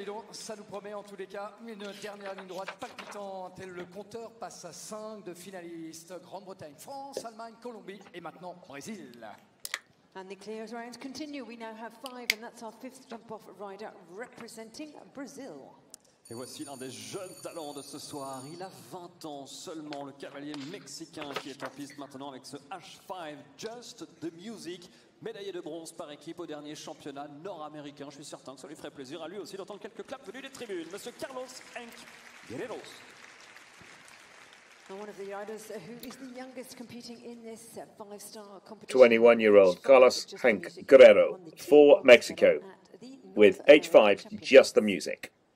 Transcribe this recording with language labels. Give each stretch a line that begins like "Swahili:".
French: Ça nous promet en tous les cas une dernière ligne droite palpitante et le compteur passe à 5 de finalistes Grande-Bretagne, France, Allemagne, Colombie et maintenant Brésil.
English: And the clear rounds continue. We now have 5 and that's our 5th jump off rider representing Brazil.
French: Et voici l'un des jeunes talents de ce soir. Il a 20 ans seulement, le cavalier mexicain qui est en piste maintenant avec ce H5 Just the Music. Médaillé de bronze par équipe au dernier championnat nord-américain. Je suis certain que ça lui ferait plaisir à lui aussi d'entendre quelques claps venus des tribunes. Monsieur Carlos Henk Guerreros.
English: One of the riders who is the youngest competing in this five-star competition. 21-year-old Carlos Henk Guerrero for Mexico with H5 Just the Music.